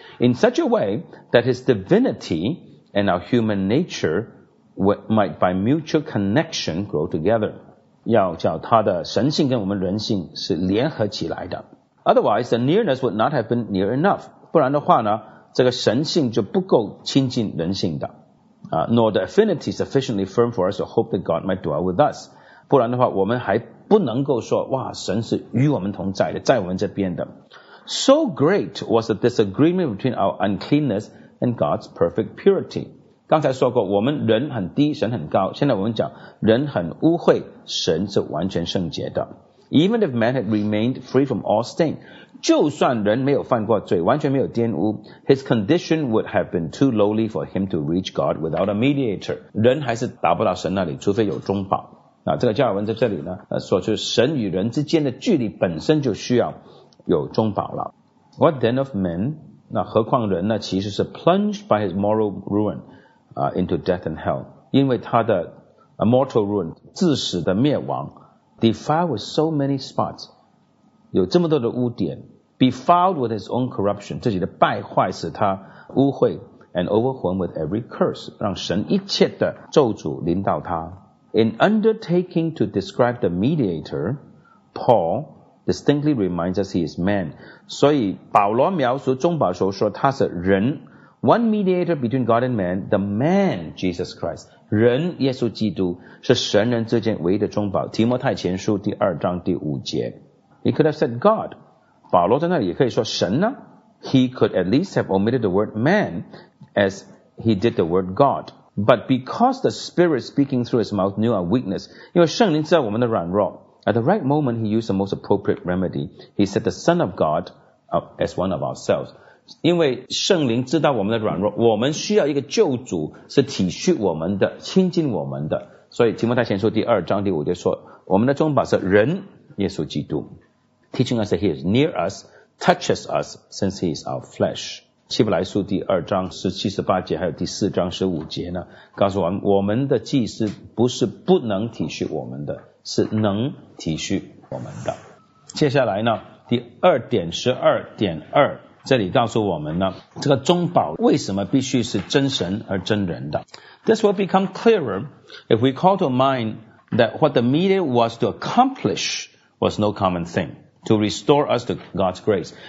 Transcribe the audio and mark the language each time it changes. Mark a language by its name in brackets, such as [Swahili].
[English] In such a way that his divinity and our human nature might by mutual connection grow together， [Chinese] 要叫他的神性跟我们人性是联合起来的。 [English] Otherwise, the nearness would not have been near enough. [Chinese] 不然的话呢，这个神性就不够亲近人性的。 [English] Nor the affinity sufficiently firm for us to hope that God might dwell with us. [Chinese] 不然的话，我们还不能够说，哇，神是与我们同在的，在我们这边的。 [English] So great was the disagreement between our uncleanness and God's perfect purity. [Chinese] 刚才说过，我们人很低，神很高。现在我们讲人很污秽，神是完全圣洁的。 [English] Even if man had remained free from all stain, [Chinese] 就算人没有犯过罪，完全没有玷污， [English] his condition would have been too lowly for him to reach God without a mediator. [Chinese] 人还是达不到神那里，除非有中保。那这个加尔文在这里呢，说就是神与人之间的距离本身就需要有中保了。 [English] What then of men? [Chinese] 那何况人呢？其实是 [English] plunged by his moral ruin, into death and hell. [Chinese] 因为他的 [English] mortal ruin, [Chinese] 自始的灭亡。 [English] Defiled with so many spots, [Chinese] 有这么多的污点 [English] ,befouled with his own corruption, [Chinese] 自己的败坏使他污秽 [English] ,and overwhelmed with every curse, [Chinese] 让神一切的咒诅临到他。 [English] In undertaking to describe the mediator, Paul distinctly reminds us he is man. [Chinese] 所以保罗描述中保时候说他是人 [English] ,one mediator between God and man, the man Jesus Christ. [Chinese] 人耶稣基督是神人之间唯一的中保。提摩太前书第二章第五节。 [English] He could have said God. [Chinese] 保罗在那里也可以说神呢。 [English] He could at least have omitted the word man as he did the word God. But because the Spirit speaking through his mouth knew our weakness, [Chinese] 因为圣灵知道我们的软弱。 [English] At the right moment, he used the most appropriate remedy. He said the Son of God as one of ourselves. [Chinese] 因为圣灵知道我们的软弱，我们需要一个救主是体恤我们的，亲近我们的。所以提摩太前书第二章第五节说，我们的中保是人耶稣基督。 [English] Teaching us that he is near us, touches us, since he is our flesh. [Chinese] 希伯来书第二章十七十八节还有第四章十五节呢，告诉我们，我们的祭司不是不能体恤我们的，是能体恤我们的。接下来呢，第二点十二点二这里告诉我们呢，这个中保为什么必须是真神而真人的。 [English] This will become clearer if we call to mind that what the mediator was to accomplish was no common thing, to restore us to God's grace.